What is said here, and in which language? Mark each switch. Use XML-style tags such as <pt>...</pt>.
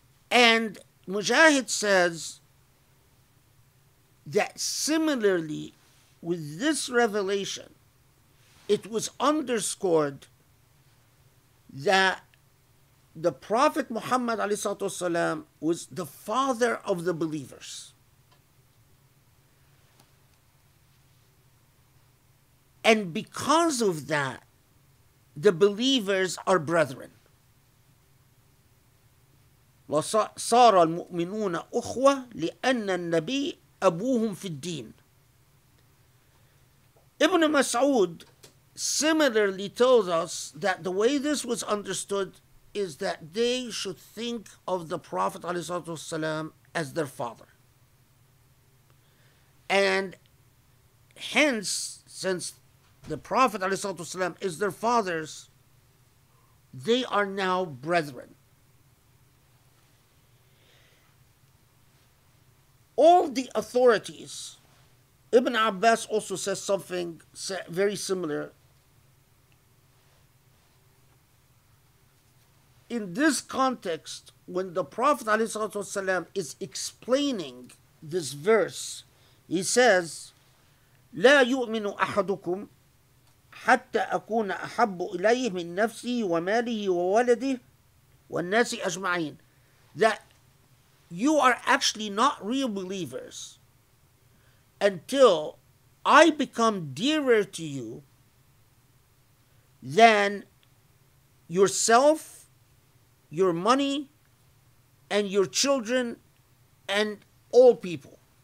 <en>And Mujahid says that similarly with this revelation, it was underscored that the Prophet Muhammad was the father of the believers. And because of that, the believers are brethren.</en> <ar>صار المؤمنون أخوة لأن النبي أبوهم في الدين.</ar> <en>Ibn Mas'ud similarly tells us that the way this was understood is that they should think of the Prophet ﷺ as their father. And hence, since the Prophet ﷺ is their fathers, they are now brethren. All the authorities, Ibn Abbas also says something very similar. In this context, when the Prophet ﷺ is explaining this verse, he says,</en> <ar>لا يؤمن أحدكم حتى أكون أحب إليه من نفسي وماله وولده والناس أجمعين.</ar> <en>That you are actually not real believers until I become dearer to you than yourself, your money, and your children, and all people.</en>